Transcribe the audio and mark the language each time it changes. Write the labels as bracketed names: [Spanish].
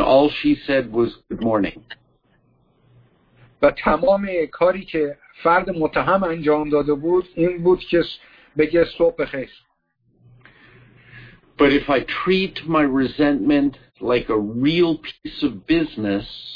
[English] all she said was good morning. [Persian] و تمام کاری که فرد متهم انجام داده بود این بود که بگه صبح بخیر. [English] But if I treat my resentment like a real piece of business,